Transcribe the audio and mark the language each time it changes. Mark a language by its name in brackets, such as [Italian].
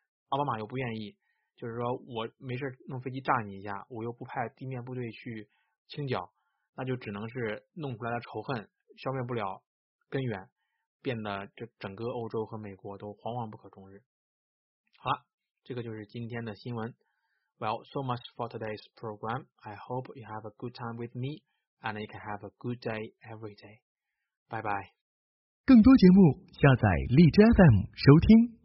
[Chinese] 奥巴马又不愿意，就是说我没事弄飞机炸你一下，我又不派地面部队去清剿，那就只能是弄出来的仇恨消灭不了根源，变得这整个欧洲和美国都惶惶不可终日。好了，这个就是今天的新闻。 [English] Well, so much for today's program. I hope you have a good time with me, and you can have a good day every day. Bye bye. [Chinese] 更多节目下载荔枝 FM 收听。